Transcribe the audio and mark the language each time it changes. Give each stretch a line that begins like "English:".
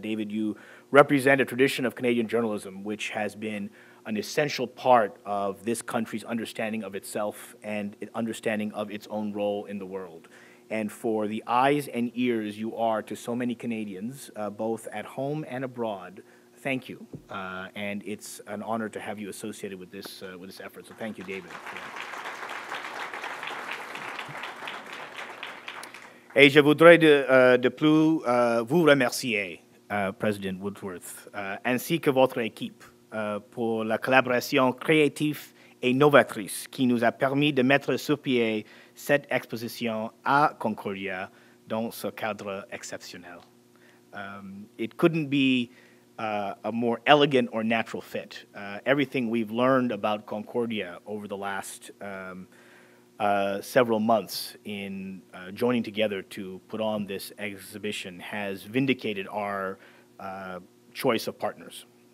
English: David, you represent a tradition of Canadian journalism which has been an essential part of this country's understanding of itself and understanding of its own role in the world. And for the eyes and ears you are to so many Canadians, both at home and abroad, thank you. And it's an honor to have you associated with this effort. So thank you, David. Yeah.
French: Et je voudrais de plus vous remercier, President Woodworth, ainsi que votre équipe, pour la collaboration créative et novatrice qui nous a permis de mettre sur pied cette exposition à Concordia dans ce cadre exceptionnel.
English: It couldn't be a more elegant or natural fit. Everything we've learned about Concordia over the last several months in joining together to put on this exhibition has vindicated our choice of partners.